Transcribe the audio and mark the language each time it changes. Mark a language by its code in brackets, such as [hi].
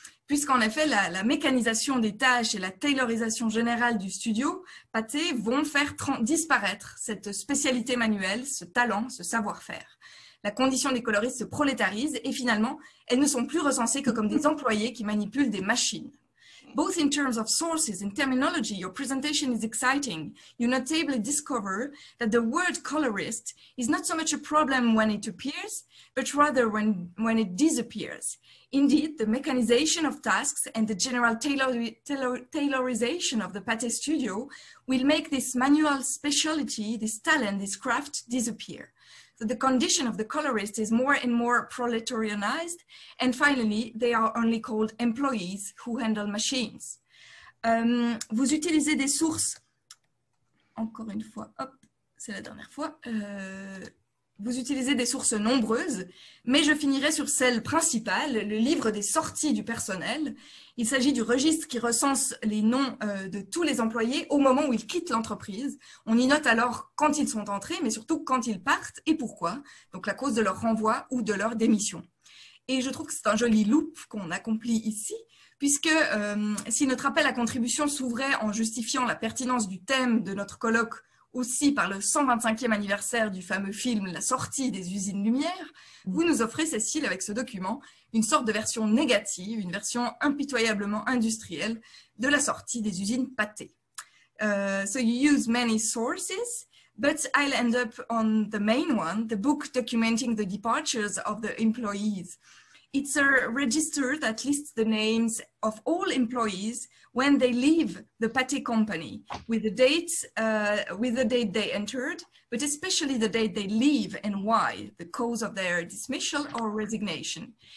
[fr] Puisqu'en effet, la mécanisation des tâches et la taylorisation générale du studio Pathé vont faire disparaître cette spécialité manuelle, ce talent, ce savoir-faire. La condition des coloristes se prolétarise et finalement, elles ne sont plus recensées que comme des employés qui manipulent des machines. [en] Both in terms of sources and terminology, your presentation is exciting. You notably discover that the word colorist is not so much a problem when it appears, but rather when it disappears. Indeed, the mechanization of tasks and the general taylorization of the Pathé studio will make this manual specialty, this talent, this craft disappear. So the condition of the colorist is more and more proletarianized, and finally, they are only called employees who handle machines. [fr] Vous utilisez des sources, encore une fois, hop, c'est la dernière fois, vous utilisez des sources nombreuses, mais je finirai sur celle principale, le livre des sorties du personnel. Il s'agit du registre qui recense les noms de tous les employés au moment où ils quittent l'entreprise. On y note alors quand ils sont entrés, mais surtout quand ils partent et pourquoi, donc la cause de leur renvoi ou de leur démission. Et je trouve que c'est un joli loop qu'on accomplit ici, puisque si notre appel à contribution s'ouvrait en justifiant la pertinence du thème de notre colloque aussi par le 125e anniversaire du fameux film La sortie des usines Lumière, vous nous offrez, Cécile, avec ce document, une sorte de version négative, une version impitoyablement industrielle de la sortie des usines Pathé. [en] So you use many sources, but I'll end up on the main one, the book documenting the departures of the employees. It's a register that lists the names of all employees when they leave the Pathé company, with the date they entered, but especially the date they leave and why, the cause of their dismissal or resignation.